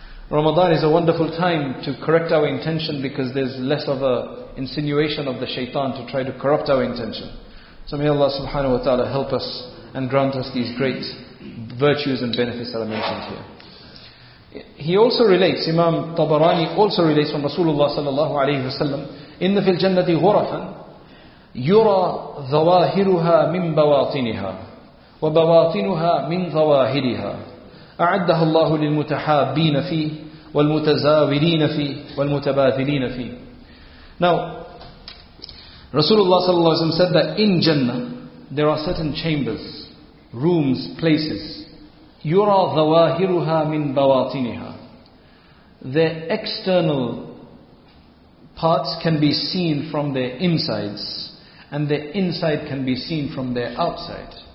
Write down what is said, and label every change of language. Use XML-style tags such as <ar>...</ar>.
<en>Ramadan is a wonderful time to correct our intention, because there's less of a insinuation of the shaitan to try to corrupt our intention. So may Allah subhanahu wa ta'ala help us and grant us these great virtues and benefits that are mentioned here. He also relates, Imam Tabarani also relates from Rasulullah sallallahu alayhi wa sallam,</en> <ar>إِنَّ فِي الْجَنَّةِ غُرَفًا يُرَى ظَوَاهِرُهَا مِنْ بَوَاطِنِهَا وَبَوَاطِنُهَا مِنْ ظَوَاهِرِهَا أعدها الله للمتحابين فيه والمتزاورين فيه والمتباذلين فيه.</ar> <en>Now, Rasulullah sallallahu alayhi wa sallam said that in Jannah, there are certain chambers, rooms, places.</en> <ar>يُرَى ظَوَاهِرُهَا مِنْ بَوَاطِنِهَا.</ar> <en>Their external parts can be seen from their insides, and their inside can be seen from their outside.</en>